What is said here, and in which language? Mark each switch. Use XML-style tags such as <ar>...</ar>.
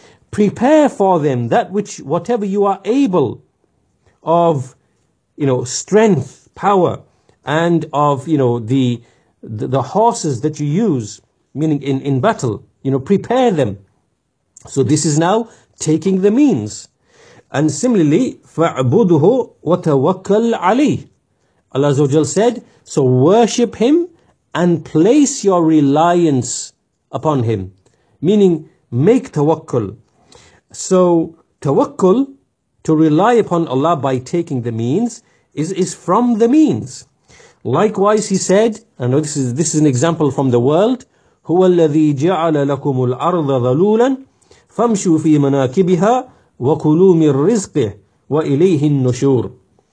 <en>Prepare for them that which, whatever you are able of, you know, strength, power, and of, you know, the horses that you use, meaning in battle, you know, prepare them. So this is now taking the means. And similarly,</en> <ar>فَعْبُدُهُ وَتَوَكَّلْ عَلَيْهِ.</ar> <en>Allah Azza wa Jal said, so worship Him and place your reliance upon Him, meaning make tawakkul. So tawakkul, to rely upon Allah by taking the means, is from the means. Likewise, He said, I know this is an example from the world,</en> <ar>هُوَ الَّذِي جَعَلَ لَكُمُ الْأَرْضَ ذَلُولًا فَامْشُوا فِي مَنَاكِبِهَا وَكُلُوا مِنْ رِزْقِهِ وَإِلَيْهِ النُّشُورِ.</ar>